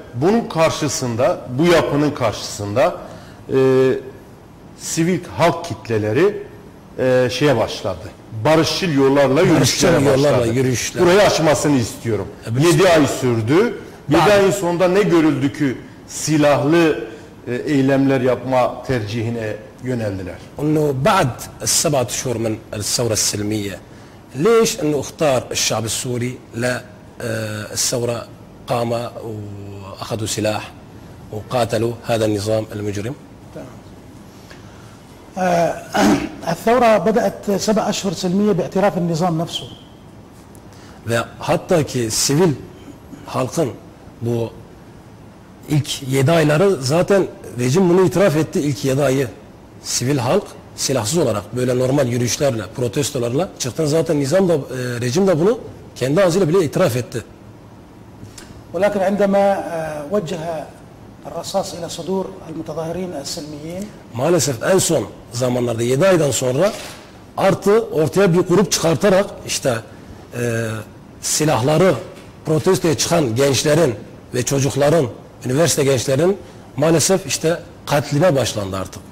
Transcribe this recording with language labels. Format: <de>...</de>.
<tr>Bunun karşısında, bu yapının karşısında sivil halk kitleleri şeye başladı. Barışçıl yollarla yürüyüşlere başladı. Yollarla yürüyüşler. Burayı açmasını istiyorum. 7 ay sürdü. 7 ayın sonunda ne görüldü ki silahlı eylemler yapma tercihine yöneldiler?</tr> <ar>Onu بعد 7 شهور من الثوره السلميه ليش انه اختار الشعب السوري لا الثوره قام واخذوا سلاح وقاتلوا هذا النظام المجرم. الثوره بدات 7 اشهر سلميه باعتراف النظام نفسه.</ar> <tr>وحتى كي سيفيل halkın bu ilk 7 ayları zaten rejim bunu itiraf etti ilk 7 ayı. Sivil halk silahsız olarak böyle normal yürüyüşlerle, protestolarla çıktı. Zaten nizam da rejim de bunu kendi ağzıyla bile itiraf etti.</tr> <ar>ولكن عندما وجه الرصاص الى صدور المتظاهرين السلميين</ar> <tr>maalesef en son zamanlarda 7 aydan sonra artı ortaya bir grup çıkartarak işte silahları protestoya çıkan gençlerin ve çocukların, üniversite gençlerin maalesef işte katline başlandı artık.</tr>